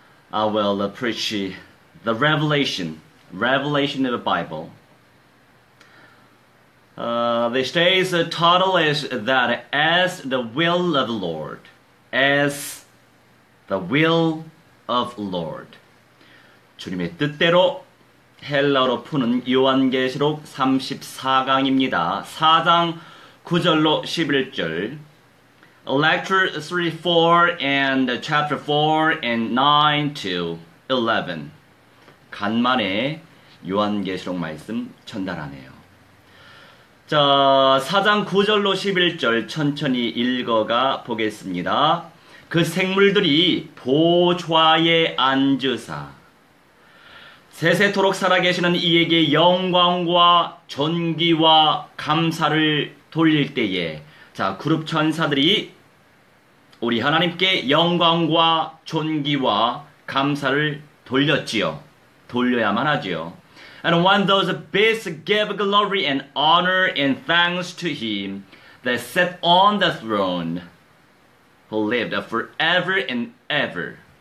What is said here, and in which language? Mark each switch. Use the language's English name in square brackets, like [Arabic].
[English] I will preach the revelation of the Bible. These days the title is that as the will of the Lord, as the will of the Lord. [Korean] 주님의 뜻대로 헬라어로 푸는 요한계시록 34강입니다. 4장 9절로 11절 [English] Lecture 3-4 and Chapter 4 and 9-11 [Korean] 간만에 요한계시록 말씀 전달하네요. 자, 4장 9절로 11절 천천히 읽어가 보겠습니다. 그 생물들이 보좌에 앉으사 세세토록 살아계시는 이에게 영광과 존귀와 감사를 돌릴 때에 자 그룹 천사들이 우리 하나님께 영광과 존귀와 감사를 돌렸지요. 돌려야만 하지요. [English] And when those beasts gave glory and honor and thanks to him that sat on the throne who lived forever and ever.